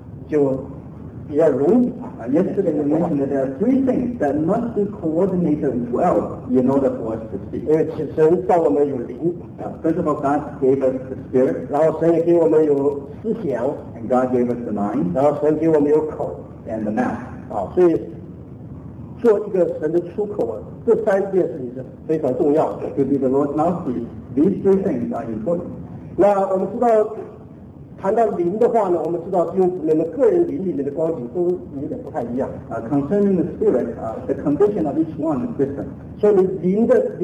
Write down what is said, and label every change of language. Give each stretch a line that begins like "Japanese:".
English: Yesterday we mentioned that there are three things that must be coordinated well in order for us to speak. First of all, God gave us the spirit.
Chinese: 然后神也给我们有思想,
English: and God gave us the mind.
Chinese: 然后神给我们有口,
English: and the mouth.
Chinese: 所以做一个神的出口啊, 这三件事情是非常重要的。
English: To be the Lord's mouthpiece, these three things are important.
Chinese: 那我们知道, 谈到灵的话呢, 我们知道弟兄姊妹们个人灵里面的光景都有点不太一样。
English: Concerning the spirit, the condition of each one is different.